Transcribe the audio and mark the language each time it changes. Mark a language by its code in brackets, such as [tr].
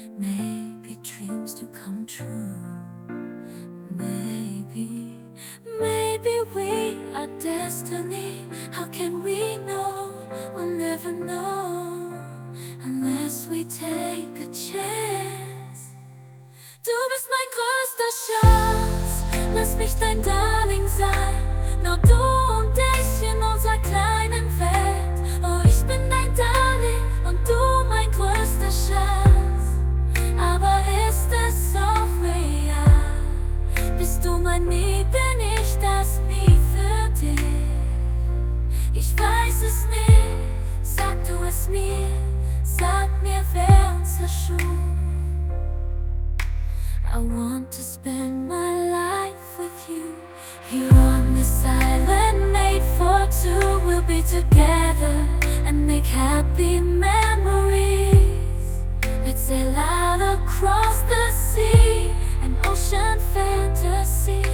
[en] Maybe dreams do come true. Maybe, maybe we are destiny. How can we know? We'll never know unless we take a chance. [de] Du bist mein größter Schatz. Lass mich dein Darling sein. Nur du und ich in unserer kleinen Welt. Oh, ich bin dein Darling und du mein größter Schatz. Aber ist es so real? Bist du mein Nie, bin ich das Nie für dich? Ich weiß es nicht, sag du es mir. Sag mir, wer uns erschuf. [en] I want to spend my life with you. Here on this island made for two. We'll be together and make happy memories. Let's sail out across the sea, an ocean fantasy.